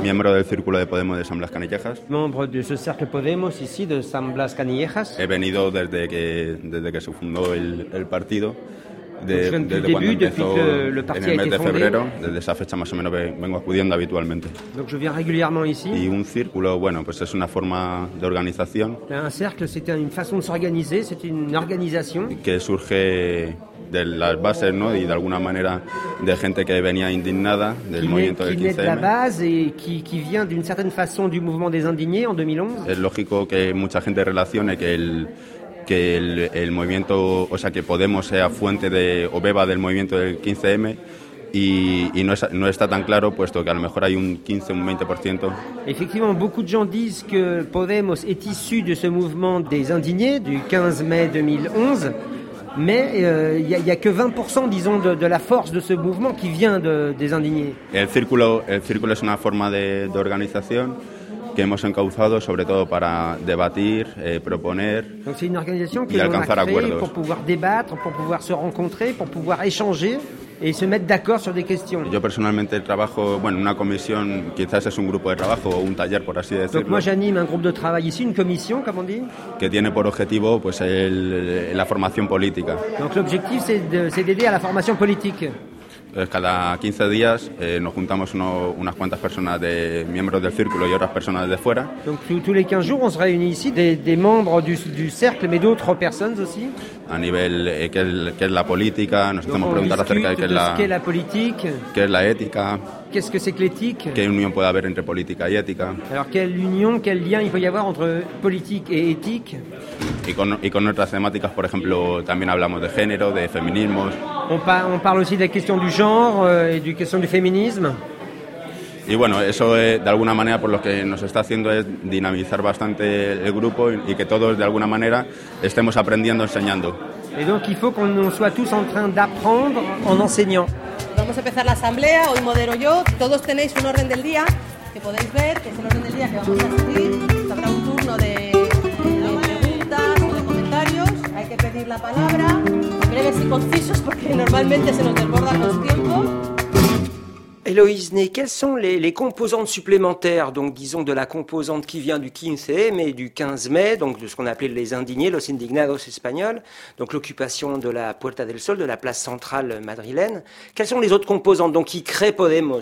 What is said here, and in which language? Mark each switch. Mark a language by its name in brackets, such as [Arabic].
[Spanish] Miembro del círculo de Podemos de San Blas Canillejas. [French] Membre de ce cercle Podemos ici de San Blas Canillejas. [Spanish] He venido desde que se fundó el partido. [French] Depuis le parti a été fondé, [Spanish] desde esa fecha más o menos vengo acudiendo habitualmente. [French] Donc je viens régulièrement ici. [Spanish] Y un círculo, bueno, pues es una forma de organización. [French] Un cercle, c'est une façon de s'organiser, c'est une organisation. [Spanish] Que surge de las bases, ¿no? Y de alguna manera de gente que venía indignada del movimiento del 15M. [French] Qui naît de la base et qui vient d'une certaine façon du mouvement des indignés en 2011. [Spanish] Es lógico que mucha gente relacione que el movimiento, o sea, que Podemos sea fuente de o beba del movimiento del 15M y no está tan claro, puesto que a lo mejor hay un 15, un 20%. [French] Effectivement, beaucoup de gens disent que Podemos est issu de ce mouvement des indignés du 15 mai 2011. Mais il y a que 20%, disons, de la force de ce mouvement qui vient des indignés. [Spanish] El círculo es una forma de organización que hemos encauzado sobre todo para debatir, proponer. [French] Donc c'est une organisation que l'on a créée pour pouvoir débattre, pour pouvoir se rencontrer, pour pouvoir échanger et se mettre d'accord sur des questions. [Spanish] Yo personalmente trabajo, bueno, una comisión, quizás es un grupo de trabajo o un taller, por así decirlo. [French] Donc moi j'anime un groupe de travail ici, une commission, comme on dit. [Spanish] Que tiene por objetivo, pues, la formación política. [French] Donc l'objectif, c'est d'aider à la formation politique. [Spanish] Cada 15 días nos juntamos unas cuantas personas de miembros del círculo y otras personas de fuera. [French] Donc tous les 15 jours on se réunit ici des membres du cercle mais d'autres personnes aussi. [Spanish] A nivel qué es la política, nos hacemos preguntar acerca de qué es la [French] politique, [Spanish] qué es la ética. [French] Qu'est-ce que c'est que l'éthique? Quelle union peut y avoir entre politique et éthique? Alors quelle union, quel lien il peut y avoir entre politique et éthique? [Spanish] Et con otras temáticas, por ejemplo, también hablamos de género, de feminismo. [French] On parle aussi des questions du genre et des questions du féminisme. [Spanish] Y bueno, eso de alguna manera por lo que nos está haciendo es dinamizar bastante el grupo y que todos de alguna manera estemos aprendiendo, enseñando. [French] Et donc il faut qu'on soit tous en train d'apprendre en enseignant. [Spanish] Vamos a empezar la asamblea, hoy modero yo. Todos tenéis un orden del día que podéis ver, que es el orden del día que vamos a seguir. Habrá un turno de preguntas o de comentarios. Hay que pedir la palabra, breves y concisos, porque normalmente se nos desbordan los tiempos. [French] Héloïse Ney, quelles sont les composantes supplémentaires, donc disons de la composante qui vient du 15 mai, du 15 mai, donc de ce qu'on appelait les indignés, los indignados espagnols, donc l'occupation de la Puerta del Sol, de la place centrale madrilène. Quelles sont les autres composantes donc qui créent Podemos?